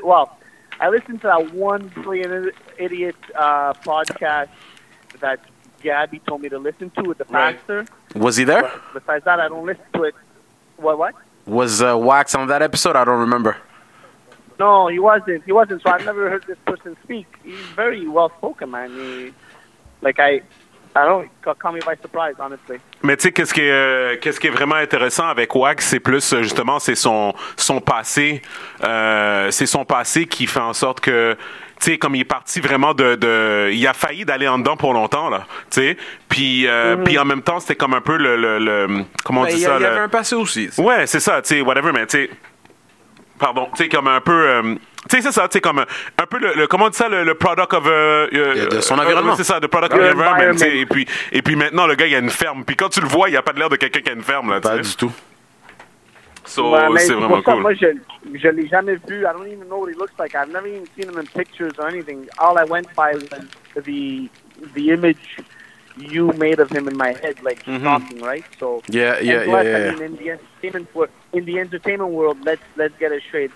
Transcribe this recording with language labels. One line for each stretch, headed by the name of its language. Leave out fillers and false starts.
English: Well, I listen to that one Brilliant Idiot podcast that Gabby told me to listen to with the pastor. Right. Was he there? But besides that, I don't listen to it. What? Was Wax on that episode? I don't remember. No, he wasn't. He wasn't, so I've never heard this person speak. He's very well-spoken, man. He, like, I don't know, call me by surprise, honestly.
French: Mais tu sais, qu'est-ce qui est vraiment intéressant avec Wax, c'est plus, justement, c'est son passé. C'est son passé qui fait en sorte que... Tu sais, comme il est parti vraiment de il a failli d'aller en dedans pour longtemps là, tu sais. Puis puis en même temps, c'était comme un peu le comment on dit ça. Il y avait un passé aussi. T'sais. Ouais, c'est ça, tu sais, whatever, mais tu sais. Pardon, tu sais comme un peu tu sais, c'est ça, tu sais comme un peu le comment on dit ça, le
English: product of
French: de son environnement. C'est ça,
English: the product of environment,
French: tu sais. Et puis maintenant le gars, il a une ferme. Puis quand tu le vois, il a pas l'air de quelqu'un qui a une ferme là, tu sais. Pas du tout. So, ouais, c'est vraiment ça, cool. Moi, je l'ai jamais vu.
English: I don't even know what he looks like. I've never even seen him in pictures or anything. All I went by was the image you made of him in my head, like talking, right? So Yeah. In the entertainment world, let's get it straight.